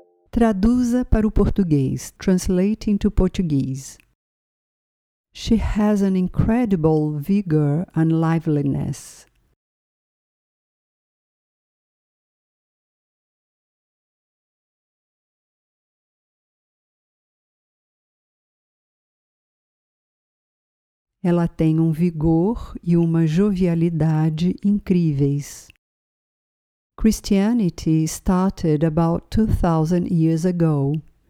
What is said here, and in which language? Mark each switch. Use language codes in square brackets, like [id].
[pt] Traduza para o português. [en] Translate into Portuguese. She has an incredible vigor and liveliness. [pt] Ela tem um vigor e uma jovialidade incríveis. [en] Christianity started about 2,000 years ago.